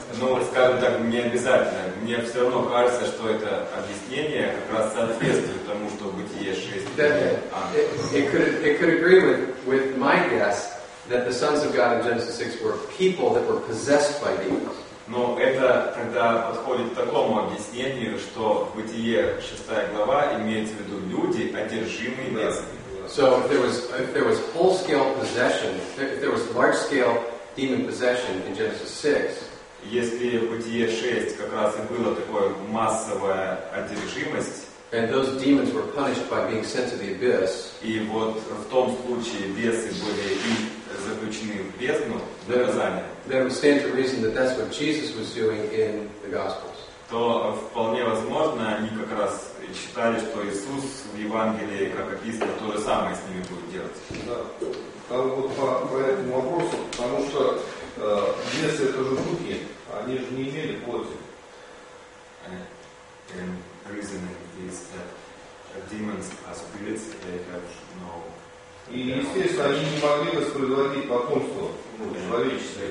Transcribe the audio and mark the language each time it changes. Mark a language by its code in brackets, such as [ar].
[ru] Ну, скажем так, не обязательно. Мне все равно кажется, что это объяснение как раз соответствует тому, что Бытие 6. [en] It could agree with my guess that the sons of God in Genesis 6 were people that were possessed by demons. [ru] Но это тогда подходит к такому объяснению, что Бытие 6 глава имеет в виду люди, одержимые бесами. [en] So if there was full-scale possession, if there was large-scale demon possession in Genesis 6, [ru] если в Бытие 6 как раз и было такое массовое одержимость, [en] and those demons were punished by being sent to the abyss, [ru] и вот в том случае бесы были и заключены в бездну, в наказание, [en] then it would stand to reason that that's what Jesus was doing in the Gospels. [ru] То вполне возможно, они как раз считали, что Иисус в Евангелии, как описано, то же самое с ними будет делать. Да. Там вот по этому вопросу, потому что если это же духи, они же не имели плоти. [en] And reasoning is that demons are spirits, they have no. [ru] И естественно, они не могли воспроизводить потомство человеческое.